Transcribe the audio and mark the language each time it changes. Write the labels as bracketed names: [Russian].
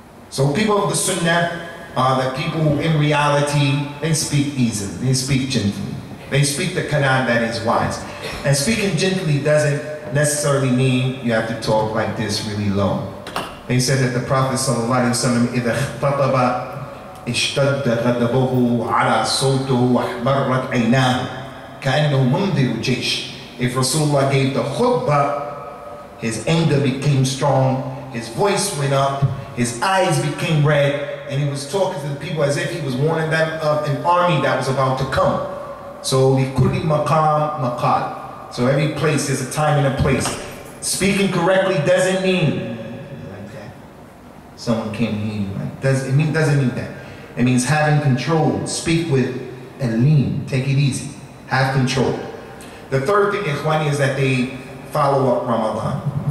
[English] So people of the sunnah are the people who in reality, they speak easily, they speak gently. They speak the Quran that is wise. And speaking gently doesn't necessarily mean you have to talk like this really low. They said that the Prophet [Arabic] sallallahu alaihi wasallam, إِذَا خَطَبَ اشْتَدَّ غَضَبُهُ عَلَى صَوْتِهِ وَأَحْمَرَّتْ عَيْنَاهُ كَأَنَّهُ مُنذِرُ جَيْشٍ. [English] If Rasulullah gave the khutbah, his anger became strong, his voice went up, his eyes became red, and he was talking to the people as if he was warning them of an army that was about to come. [Arabic] So لِكُلِّ مَقَامٍ مَقَالٍ. [English] So every place is a time and a place. Speaking correctly doesn't mean like that. Someone can't hear you. Like, it doesn't mean that. It means having control. Speak with a lean. Take it easy. Have control. The third thing, ikhwani, is that they follow up Ramadan.